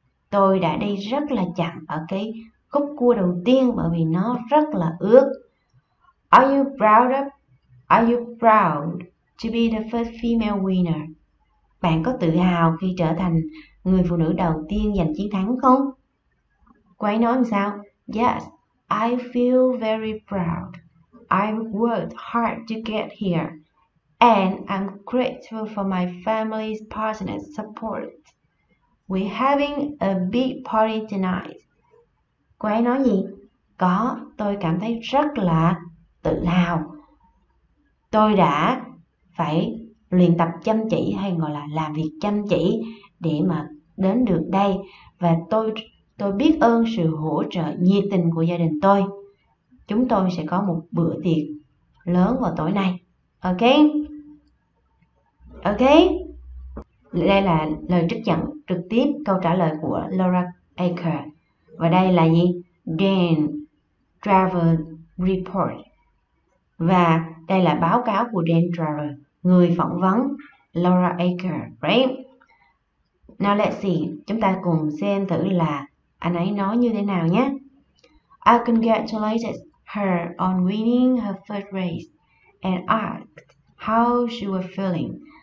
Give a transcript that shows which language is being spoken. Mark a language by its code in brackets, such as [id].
[vi] Tôi đã đi rất là chậm ở cái khúc cua đầu tiên bởi vì nó rất là ướt. [en] Are you proud to be the first female winner? [vi] Bạn có tự hào khi trở thành người phụ nữ đầu tiên giành chiến thắng không? Cô ấy nói làm sao? [en] Yes, I feel very proud. I worked hard to get here, and I'm grateful for my family's passionate support. We're having a big party tonight. [vi] Cô ấy nói gì? Có, tôi cảm thấy rất là tự hào. Tôi đã phải luyện tập chăm chỉ hay gọi là làm việc chăm chỉ để mà đến được đây. Và tôi biết ơn sự hỗ trợ nhiệt tình của gia đình tôi. Chúng tôi sẽ có một bữa tiệc lớn vào tối nay. Ok? Ok? Đây là lời trích dẫn trực tiếp câu trả lời của Laura Aker. Và đây là gì? Dan Driver Report. Và đây là báo cáo của Dan Driver, người phỏng vấn Laura Aker. [en] Right? Now let's see. [vi] Chúng ta cùng xem thử là anh ấy nói như thế nào nhé. [en] I congratulated her on winning her first race and asked how she was feeling.